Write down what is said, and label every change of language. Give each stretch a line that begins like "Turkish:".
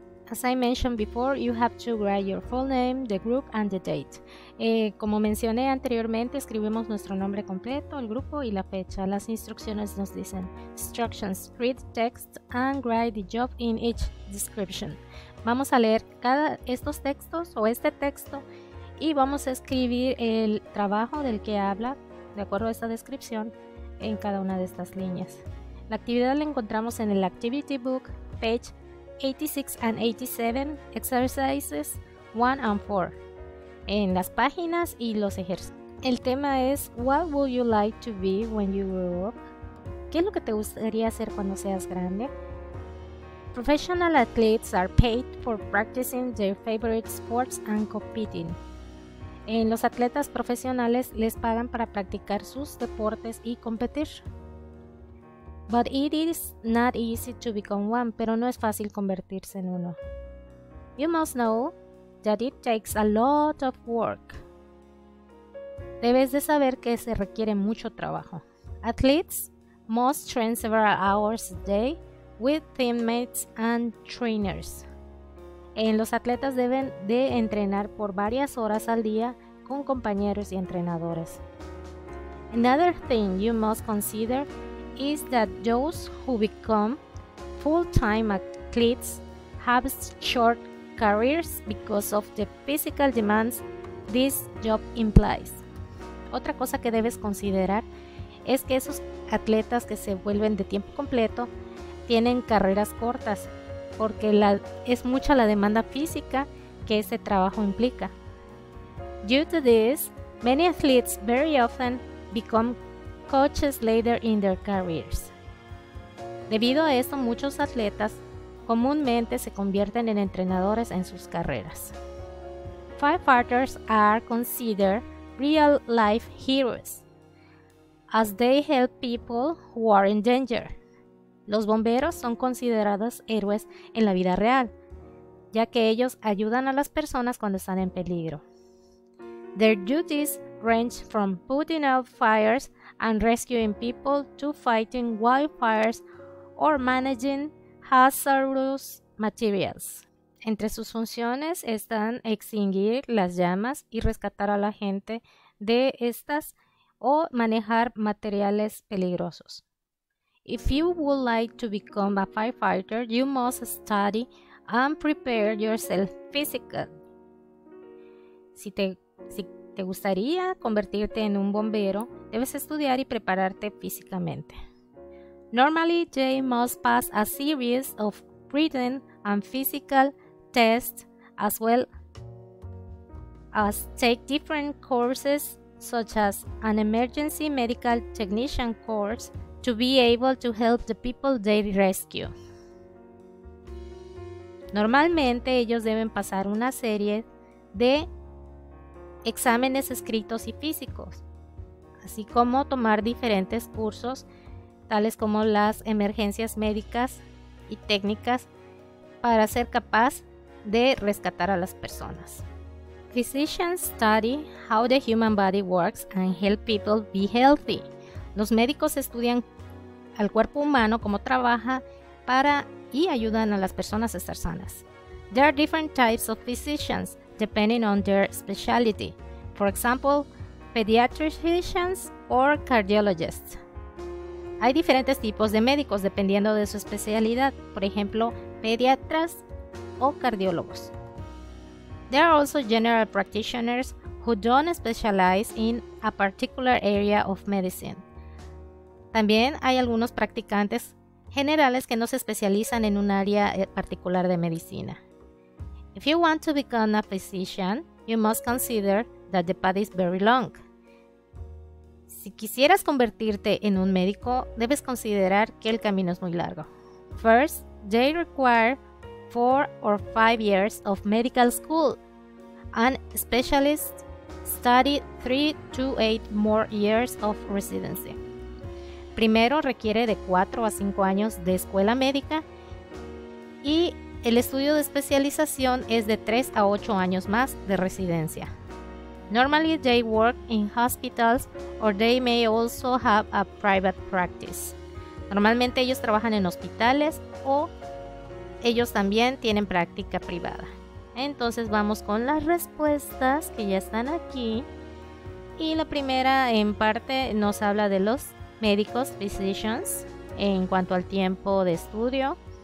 English: As I mentioned before, you have to write your full name, the group, and the date.
Spanish: Como mencioné anteriormente, escribimos nuestro nombre completo, el grupo y la fecha. Las instrucciones nos dicen
English: instructions, read text and write the job in each description.
Spanish: Vamos a leer cada estos textos o este texto y vamos a escribir el trabajo del que habla, de acuerdo a esta descripción, en cada una de estas líneas. La actividad la encontramos en el Activity Book,
English: page 86 and 87, exercises 1 and 4,
Spanish: en las páginas y los ejercicios. El tema es,
English: what would you like to be when you grow up?
Spanish: ¿Qué es lo que te gustaría hacer cuando seas grande?
English: Professional athletes are paid for practicing their favorite sports and competing.
Spanish: En los atletas profesionales les pagan para practicar sus deportes y competir.
English: But it is not easy to become one,
Spanish: pero no es fácil convertirse en uno.
English: You must know that it takes a lot of work.
Spanish: Debes de saber que se requiere mucho trabajo.
English: Athletes must train several hours a day with teammates and trainers.
Spanish: Los atletas deben de entrenar por varias horas al día con compañeros y entrenadores.
English: Another thing you must consider is that those who become full-time athletes have short careers because of the physical demands this job implies.
Spanish: Otra cosa que debes considerar es que esos atletas que se vuelven de tiempo completo tienen carreras cortas porque es mucha la demanda física que ese trabajo implica.
English: Due to this, many athletes very often become coaches later in their careers.
Spanish: Debido a esto, muchos atletas comúnmente se convierten en entrenadores en sus carreras.
English: Firefighters are considered real life heroes as they help people who are in danger.
Spanish: Los bomberos son considerados héroes en la vida real, ya que ellos ayudan a las personas cuando están en peligro.
English: Their duties range from putting out fires and rescuing people to fighting wildfires or managing hazardous materials.
Spanish: Entre sus funciones están extinguir las llamas y rescatar a la gente de estas o manejar materiales peligrosos.
English: If you would like to become a firefighter, you must study and prepare yourself physically.
Spanish: Si te gustaría convertirte en un bombero, debes estudiar y prepararte físicamente.
English: Normally, they must pass a series of written and physical tests as well as take different courses such as an emergency medical technician course to be able to help the people they rescue.
Spanish: Normalmente, ellos deben pasar una serie de exámenes escritos y físicos, así como tomar diferentes cursos, tales como las emergencias médicas y técnicas, para ser capaz de rescatar a las personas.
English: Physicians study how the human body works and help people be healthy.
Spanish: Los médicos estudian al cuerpo humano cómo trabaja para y ayudan a las personas a estar sanas.
English: There are different types of physicians depending on their specialty. For example, pediatricians or cardiologists.
Spanish: Hay diferentes tipos de médicos dependiendo de su especialidad, por ejemplo, pediatras o cardiólogos.
English: There are also general practitioners who don't specialize in a particular area of medicine.
Spanish: También hay algunos practicantes generales que no se especializan en un área particular de medicina.
English: If you want to become a physician, you must consider that the path is very long.
Spanish: Si quisieras convertirte en un médico, debes considerar que el camino es muy largo.
English: First, they require 4 or 5 years of medical school, and specialists study 3 to 8 more years of residency.
Spanish: Primero requiere de 4 a 5 años de escuela médica y el estudio de especialización es de 3 a 8 años más de residencia.
English: Normally they work in hospitals or they may also have a private practice.
Spanish: Normalmente ellos trabajan en hospitales o ellos también tienen práctica privada. Entonces vamos con las respuestas que ya están aquí. Y la primera en parte nos habla de los médicos, physicians, en cuanto al tiempo de estudio.